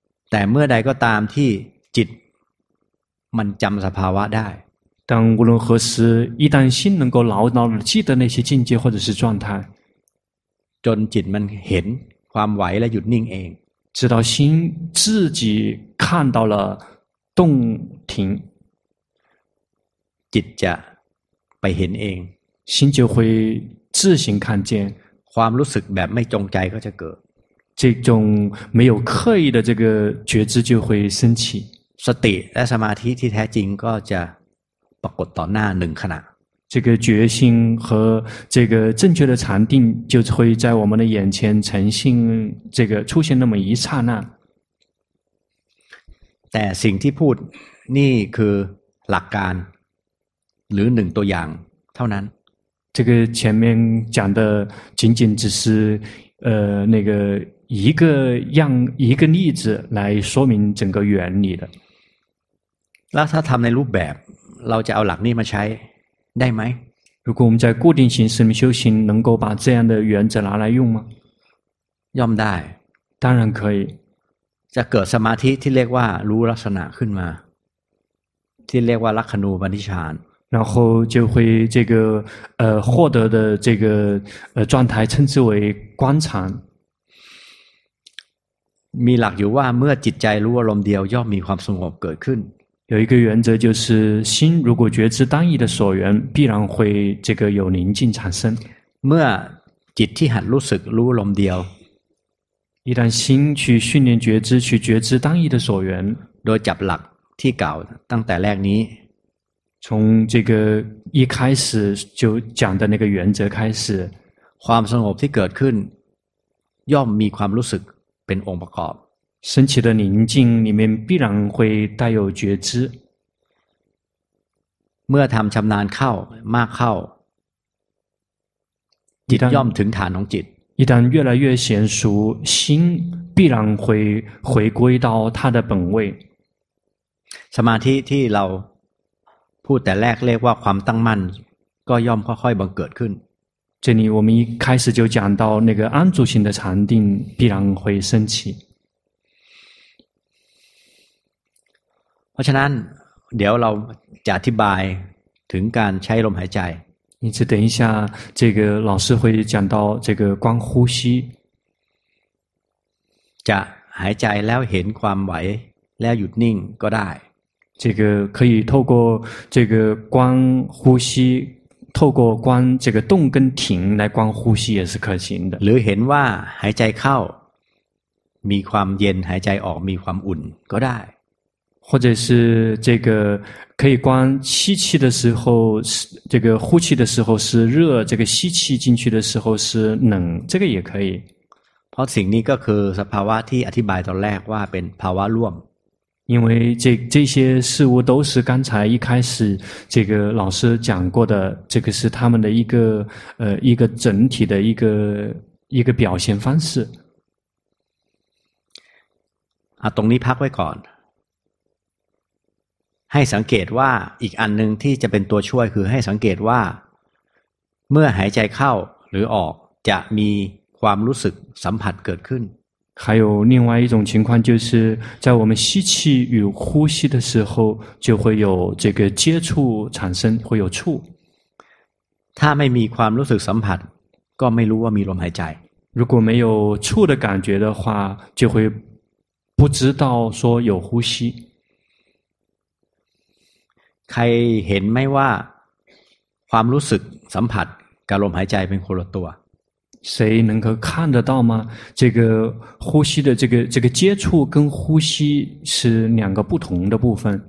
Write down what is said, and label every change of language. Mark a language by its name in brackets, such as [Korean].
[Thai] แต่เมื่อใดก็ตามที่จิตมันจำสภาวะได้ [Chinese] 但无论何时一旦心能够牢牢地记得那些境界或者是状态 [Thai] จนจิตมันเห็นความไหวและหยุดนิ่งเอง [Chinese] 直到心自己看到了动停 [Thai] จิตจะไปเห็นเอง [Chinese] 心就会自行看见 [Thai] ความรู้สึกแบบไม่จงใจก็จะเกิด [Chinese] 这种没有刻意的这个觉知就会升起 [Thai] สติและสมาธิที่แท้จริงก็จะปรากฏต่อหน้าหนึ่งขณะ [Chinese] 这个决心和这个正确的禅定就会在我们的眼前呈现这个出现那么一刹那 [Thai] แต่สิ่งที่พูดนี่คือหลักการหรือหนึ่งตัวอย่างเท่านั้น [Chinese] 这个前面讲的仅仅只是那个一个例子来说明整个原理的 [Thai] แล้วถ้าทำในรูปแบบเราจะเอาหลักนี้มาใช้ได้ไหม [Chinese] 如果我们在固定形式里面修行能够把这样的原则拿来用吗 [Thai] ย่อมได้ [Chinese] 当然可以 [Thai] จะเกิดสมาธิที่เรียกว่ารู้ลักษณะขึ้นมาที่เรียกว่าลักขณูปนิชฌาน [Chinese] 然后就会这个获得的这个状态称之为观禅 [Thai] มีหลักอยู่ว่าเมื่อจิตใจรู้อารมณ์เดียวย่อมมีความสงบเกิดขึ้น [Chinese] 有一个原则就是心如果觉知单一的所缘必然会这个有宁静产生 [Thai] เมื่อจิตที่หัดรู้สึกรู้ลมเดียว [Chinese] 一旦心去训练觉知去觉知单一的所缘 [Thai] โดยจับหลักที่กล่าวตั้งแต่แรกนี้ [Chinese] 从这个一开始就讲的那个原则开始 [Thai] ความสงบที่เกิดขึ้นย่อมมีความรู้สึกเป็นองค์ประกอบ [Chinese] 升起的宁静里面必然会带有觉知 [Thai] เมื่อทำชำนาญเข้ามากเข้าจิตย่อมถึงฐานของจิต [Chinese] 一旦越来越娴熟，心必然会回归到它的本位。 [Thai] สมาธิที่เราพูดแต่แรกเรียกว่าความตั้งมั่นก็ย่อมค่อยๆบังเกิดขึ้น [Chinese] 这里我们一开始就讲到那个安住心的禅定必然会升起。 [Thai] เพราะฉะนั้นเดี๋ยวเราจะอธิบายถึงการใช้ลมหายใจ [Chinese] 因此等一下这个老师会讲到这个光呼吸 [Thai] จะหายใจแล้วเห็นความไหวแล้วหยุดนิ่งก็ได้ [Chinese] 这个可以透过这个光呼吸透过光这个动跟停来光呼吸也是可行的 [Thai] หรือเห็นว่าหายใจเข้ามีความเย็นหายใจออกมีความอุ่นก็ได้ [Chinese] 或者是这个可以光吸气的时候这个呼气的时候是热这个吸气进去的时候是冷这个也可以 [Thai] เพราะสิ่งนี้ก็คือสภาวะที่อธิบายตอนแรกว่าเป็นภาวะร่วม [Chinese] 因为这些事物都是刚才一开始这个老师讲过的这个是他们的一个整体的一个表现方式 [Thai] ตรงนี้พักไว้ก่อนให้สังเกตว่าอีกอันนึงที่จะเป็นตัวช่วยคือให้สังเกตว่าเมื่อหายใจเข้าหรือออกจะมีความรู้สึกสัมผัสเกิดขึ้น [Chinese] 还有另外一种情况就是在我们吸气与呼吸的时候就会有这个接触产生会有触 [Thai] ถ้าไม่มีความรู้สึกสัมผัสก็ไม่รู้ว่ามีลมหายใจ [Chinese] 如果没有触的感觉的话就会不知道说有呼吸 [Thai] ใครเห็นไหมว่าความรู้สึกสัมผัสกับลมหายใจเป็นคนละตัว [Chinese] 谁能够看得到吗这个呼吸的这个接触跟呼吸是两个不同的部分